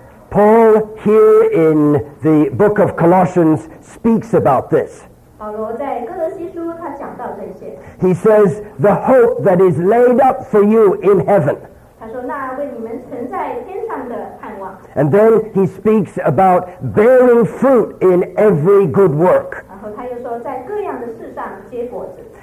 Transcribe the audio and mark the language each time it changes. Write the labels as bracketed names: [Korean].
[English] Paul here in the book of Colossians speaks about this. [Chinese] 保罗在哥罗西书他讲到这些。 [English] He says, the hope that is laid up for you in heaven. [Chinese] 他说那为你们存在天上的盼望。 [English] And then he speaks about bearing fruit in every good work. [Chinese] 然后他又说在各样的事上结果子。